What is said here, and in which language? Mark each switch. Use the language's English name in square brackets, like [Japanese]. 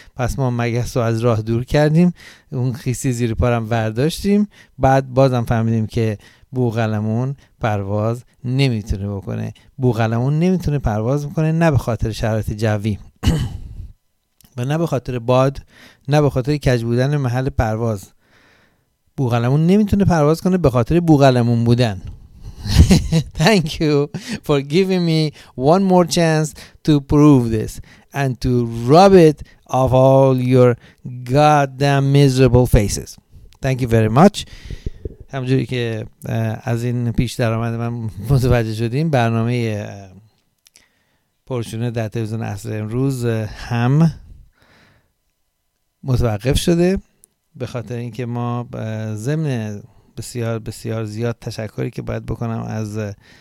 [Persian] پس ما مگس رو از راه دور کردیم، اون خیسی زیر پا هم برداشتیم، بعد بازم فهمیدیم که بوغلمون پرواز نمیتونه بکنه. بوغلمون نمیتونه پرواز بکنه، نه به خاطر شرایط جوی و نه به خاطر باد، نه به خاطر کج بودن محل پرواز. بوغلمون نمیتونه پرواز کنه به خاطر بوغلمون بودن. [English] Thank you for giving me one more chance to prove this and to rub it off all your goddamn miserable faces. Thank you very much. [Persian] همجوری که از این پیش درآمد من متوجه شدیم، برنامه پرچونه در تلویزیون عصر امروز هم متوقف شده به خاطر اینکه ما ضمن بسیار بسیار زیاد تشکری که باید بکنم از